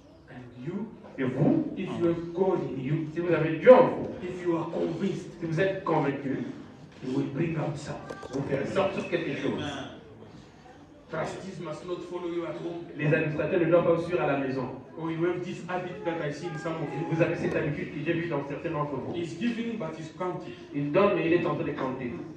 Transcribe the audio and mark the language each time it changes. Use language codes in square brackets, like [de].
[en] And you. [fr] Et vous, [en] if you have God in you, [fr] si vous avez Dieu en vous, [en] if you are convinced, [fr] si vous êtes convaincu, [en] you will bring out some. [fr] Vous ferez sortir quelque chose. [en] Trustees must not follow you at home. [fr] Les administrateurs ne doivent pas vous suivre à la maison. [en] Or you have this habit that I see in some of you. [fr] Vous avez cette habitude que j'ai vue dans certains d'entre vous. [en] He's giving, but he's counting. [fr] Il donne, mais il est en train de compter.